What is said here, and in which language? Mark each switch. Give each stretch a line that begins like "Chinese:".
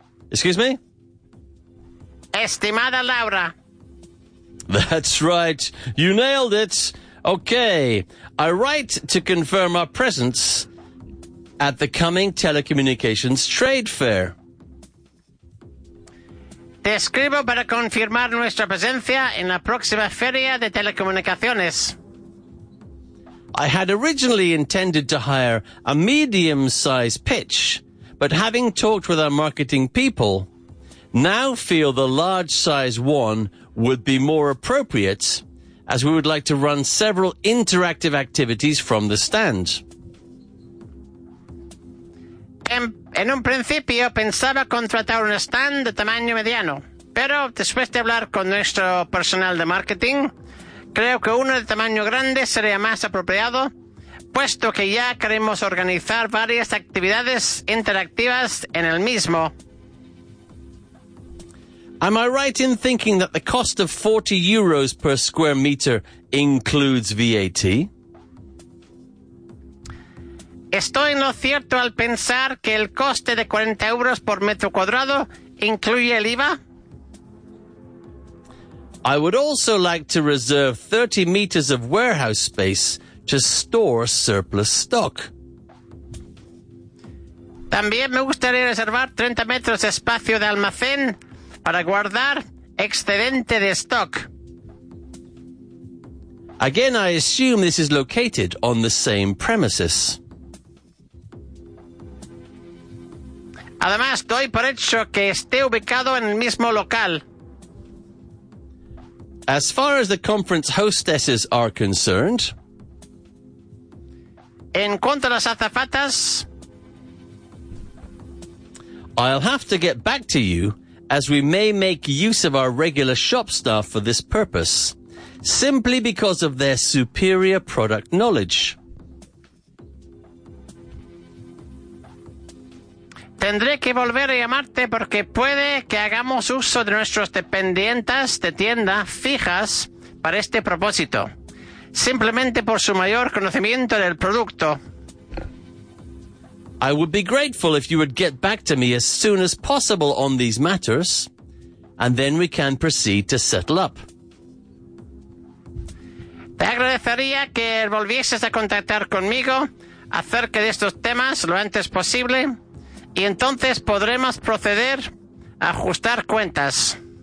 English: Excuse me?
Spanish: Estimada Laura.
English: That's right. You nailed it. Okay, I write to confirm our presence at the coming telecommunications trade fair.
Spanish: Te escribo para confirmar nuestra presencia en la próxima feria de telecomunicaciones.
English: I had originally intended to hire a medium-sized pitch, but having talked with our marketing people, now feel the large size one would be more appropriate, as we would like to run several interactive activities from the stand.
Spanish: En un principio pensaba contratar un stand de tamaño mediano, pero después de hablar con nuestro personal de marketing, creo que uno de tamaño grande sería más apropiado, puesto que ya queremos organizar varias actividades interactivas en el mismo.
English: Am I right in thinking that the cost of €40 per square meter includes VAT?
Spanish: Estoy en lo cierto al pensar que el coste de €40 por metro cuadrado incluye el IVA.
English: I would also like to reserve 30 meters of warehouse space to store surplus stock.
Spanish: También me gustaría reservar 30 metros de espacio de almacén para guardar excedente de stock.
English: Again, I assume this is located on the same premises.
Spanish: Además, doy por hecho que esté ubicado en el mismo local.
English: As far as the conference hostesses are concerned,
Spanish: en cuanto a las azafatas,
English: I'll have to get back to you, as we may make use of our regular shop staff for this purpose, simply because of their superior product knowledge.
Spanish: Tendré que volver a llamarte porque puede que hagamos uso de nuestros dependientes de tienda fijas para este propósito, simplemente por su mayor conocimiento del producto.
English: I would be grateful if you would get back to me as soon as possible on these matters, and then we can proceed to settle up.
Spanish: Te agradecería que volvieses a contactar conmigo acerca de estos temas lo antes posible, y entonces podremos proceder a ajustar cuentas.